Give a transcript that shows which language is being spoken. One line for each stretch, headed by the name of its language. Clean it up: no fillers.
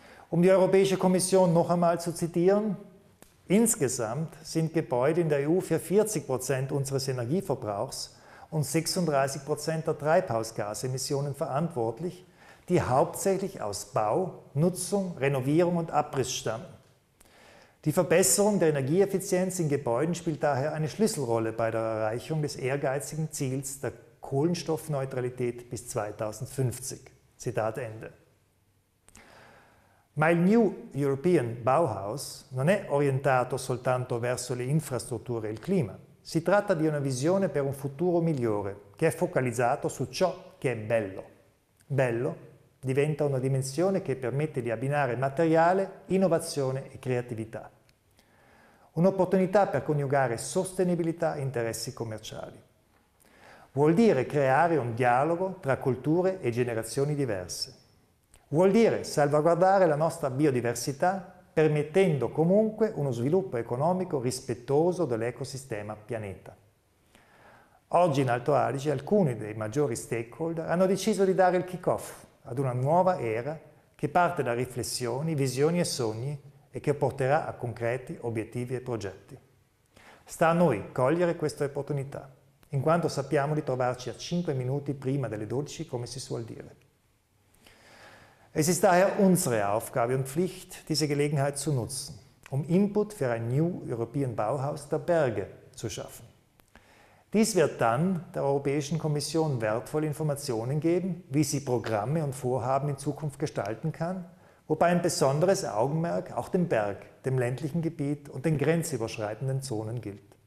German: Um die Europäische Kommission noch einmal zu zitieren: Insgesamt sind Gebäude in der EU für 40% unseres Energieverbrauchs und 36% der Treibhausgasemissionen verantwortlich, die hauptsächlich aus Bau, Nutzung, Renovierung und Abriss stammen. Die Verbesserung der Energieeffizienz in Gebäuden spielt daher eine Schlüsselrolle bei der Erreichung des ehrgeizigen Ziels der Kohlenstoffneutralität bis 2050. Zitat Ende.
Italian: Ma il New European Bauhaus non è orientato soltanto verso le infrastrutture e il clima. Si tratta di una visione per un futuro migliore, che è focalizzato su ciò che è bello. Bello diventa una dimensione che permette di abbinare materiale, innovazione e creatività. Un'opportunità per coniugare sostenibilità e interessi commerciali. Vuol dire creare un dialogo tra culture e generazioni diverse. Vuol dire salvaguardare la nostra biodiversità, permettendo comunque uno sviluppo economico rispettoso dell'ecosistema pianeta. Oggi in Alto Adige alcuni dei maggiori stakeholder hanno deciso di dare il kick-off ad una nuova era che parte da riflessioni, visioni e sogni e che porterà a concreti obiettivi e progetti. Sta a noi cogliere questa opportunità, in quanto sappiamo di trovarci a 5 minuti prima delle 12, come si suol dire.
German: Es ist daher unsere Aufgabe und Pflicht, diese Gelegenheit zu nutzen, um Input für ein New European Bauhaus der Berge zu schaffen. Dies wird dann der Europäischen Kommission wertvolle Informationen geben, wie sie Programme und Vorhaben in Zukunft gestalten kann, wobei ein besonderes Augenmerk auch dem Berg, dem ländlichen Gebiet und den grenzüberschreitenden Zonen gilt.